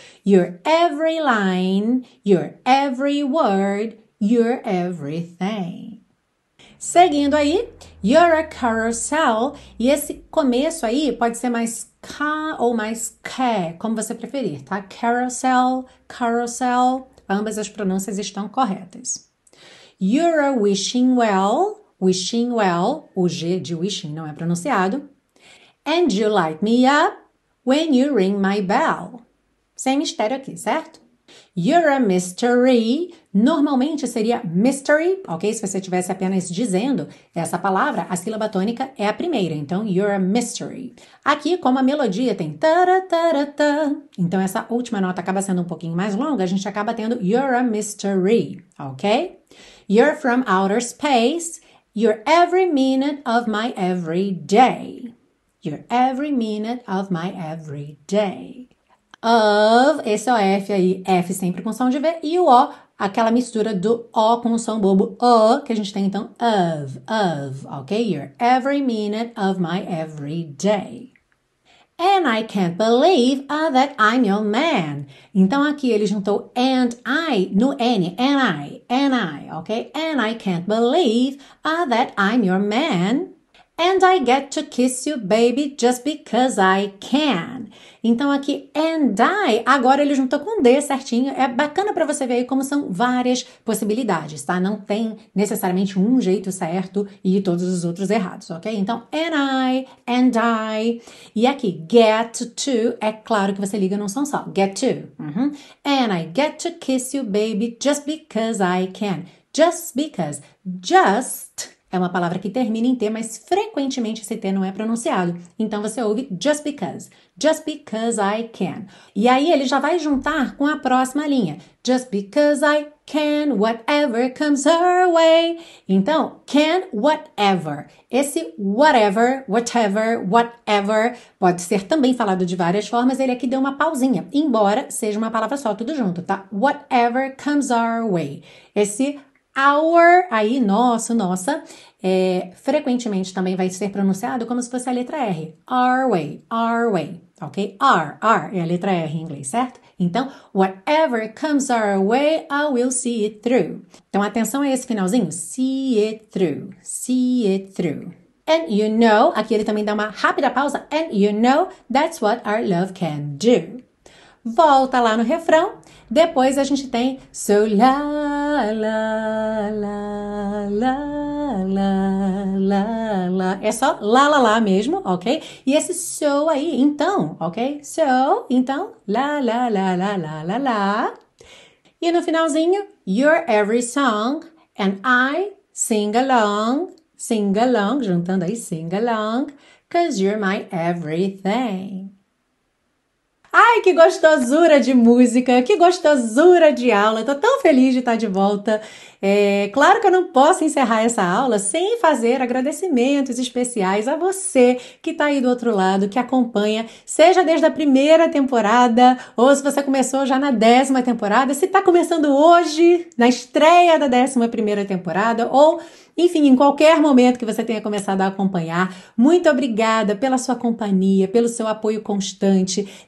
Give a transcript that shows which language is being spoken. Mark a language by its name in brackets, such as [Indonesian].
[English] You're every line, you're every word, you're everything. [Portuguese] Seguindo aí, [English] you're a carousel. [Portuguese] E esse começo aí pode ser mais ca ou mais ca, como você preferir, tá? Carousel, carousel, ambas as pronúncias estão corretas. [English] You're a wishing well, [Portuguese] o G de wishing não é pronunciado. [English] And you light me up when you ring my bell. [Portuguese] Sem mistério aqui, certo? [English] You're a mystery. [Portuguese] Normalmente seria mystery, ok? Se você estivesse apenas dizendo essa palavra, a sílaba tônica é a primeira. Então, you're a mystery. Aqui, como a melodia tem taratarata, então essa última nota acaba sendo um pouquinho mais longa, a gente acaba tendo you're a mystery, ok? [English] You're from outer space. You're every minute of my every day. You're every minute of my every day. [Portuguese] Of, esse é o F aí, F sempre com som de V, e o O, aquela mistura do O com o som bobo, O, que a gente tem então, of, ok? [English] You're every minute of my every day. And I can't believe that I'm your man. [Portuguese] Então aqui ele juntou and I no N, and I, ok? [English] And I can't believe that I'm your man. And I get to kiss you, baby, just because I can. [Portuguese] Então aqui, and I, agora ele juntou com D certinho. É bacana para você ver aí como são várias possibilidades, tá? Não tem necessariamente um jeito certo e todos os outros errados, ok? Então, and I. E aqui, get to, é claro que você liga num som só. Get to. [English] And I get to kiss you, baby, just because I can. Just because. Just. [Portuguese] É uma palavra que termina em T, mas frequentemente esse T não é pronunciado. Então você ouve [English] just because I can. [Portuguese] E aí ele já vai juntar com a próxima linha. [English] Just because I can, whatever comes her way. [Portuguese] Então, can, whatever. Esse whatever, whatever, whatever pode ser também falado de várias formas. Ele aqui deu uma pausinha, embora seja uma palavra só, tudo junto, tá? [English] Whatever comes our way. [Portuguese] Esse our, aí, nosso, nossa, é, frequentemente também vai ser pronunciado como se fosse a letra R. Our way, ok? R, é a letra R em inglês, certo? [English] Então, whatever comes our way, I will see it through. [Portuguese] Então, atenção a esse finalzinho. [English] See it through, see it through. And you know, [Portuguese] aqui ele também dá uma rápida pausa. [English] And you know, that's what our love can do. [Portuguese] Volta lá no refrão. Depois a gente tem so la la la la la la la. É só la la la mesmo, ok? E esse so aí, então, ok? So, então, la la la la la la la. E no finalzinho, [English] you're every song and I sing along, [Portuguese] juntando aí [English] sing along, 'cause you're my everything. [Portuguese] Ai, que gostosura de música, que gostosura de aula. Tô tão feliz de estar de volta. É, claro que eu não posso encerrar essa aula sem fazer agradecimentos especiais a você que tá aí do outro lado, que acompanha, seja desde a primeira temporada, ou se você começou já na 10ª temporada, se tá começando hoje, na estreia da 11ª temporada, ou enfim, em qualquer momento que você tenha começado a acompanhar, muito obrigada pela sua companhia, pelo seu apoio constante.